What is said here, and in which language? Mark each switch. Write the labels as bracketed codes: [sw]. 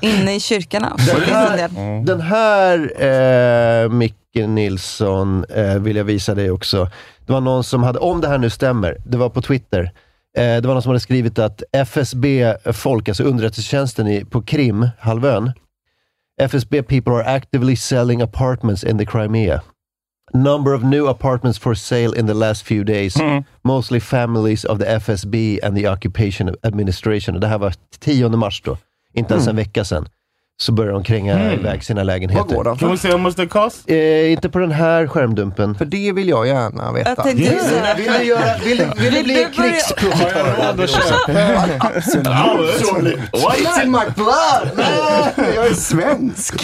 [sv] Inne i kyrkorna. Den här Micke Nilsson vill jag visa dig också. Det var någon som hade, om det här nu stämmer, det var på Twitter. Det var någon som hade skrivit att FSB-folk, alltså underrättelsetjänsten på Krim, halvön. [en] FSB people are actively selling apartments in the Crimea. Number of new apartments for sale in the last few days. Mm. Mostly families of the FSB and the occupation administration. [sv] Det här var 10 mars då. Inte ens en vecka sedan. Så började de kränga iväg sina lägenheter. Vad går det? Kan vi se hur much det kost? Inte på den här skärmdumpen. För det vill jag gärna veta. Vill du bli krigsprotokoll? Absolut. [en] Why is it my blood? [sv] Jag är svensk.